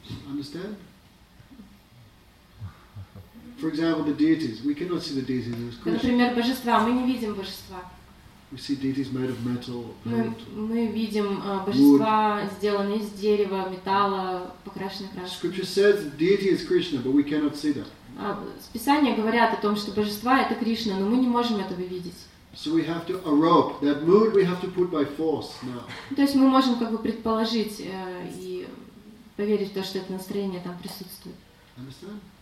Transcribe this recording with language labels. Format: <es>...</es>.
<en>Understand? For example, the deities. We cannot see the deities as Krishna.</en> <ru>Например, божества. Мы не видим божества.</ru> <en>We see deities made of metal.</en> <ru>Мы видим божества, сделанные из дерева, металла, покрашенные красками.</ru> <en>Scripture says deity is Krishna, but we cannot see that.</en> <ru>Писания говорят о том, что божества это Кришна, но мы не можем этого видеть.</ru> <en>So we have to arope that mood. We have to put by force now.</en> <ru>То есть мы можем как бы предположить и поверить в то, что это настроение там присутствует.</ru> <en>Understand?</en>